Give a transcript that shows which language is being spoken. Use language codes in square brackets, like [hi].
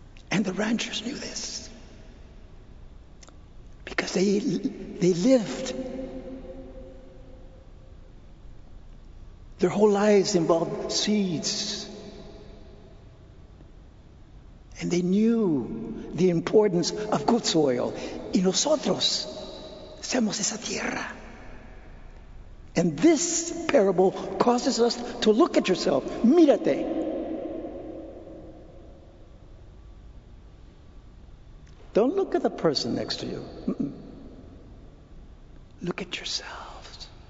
[en] And the ranchers knew this, because they lived, their whole lives involved seeds. And they knew the importance of good soil. [es] Y nosotros somos esa tierra. [en] And this parable causes us to look at yourself. [es] Mírate. [en] Don't look at the person next to you. Look at yourselves.